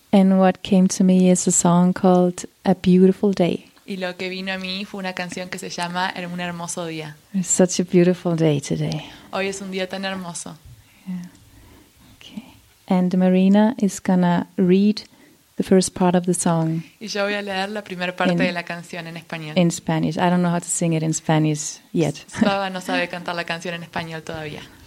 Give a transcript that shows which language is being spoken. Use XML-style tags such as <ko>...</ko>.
<en>And what came to me is a song called A Beautiful Day.</en> <es>Y lo que vino a mí fue una canción que se llama Un hermoso día.</es> <en>It's such a beautiful day today.</en> <es>Hoy es un día tan hermoso. Yeah. Okay.</es> <en>And Marina is gonna read the first part of the song.</en> <es>Y yo voy a leer la primera parte de la canción en español.</es> <en>In Spanish. I don't know how to sing it in Spanish yet.</en> <es>Saba no sabe cantar la canción en español todavía.</es>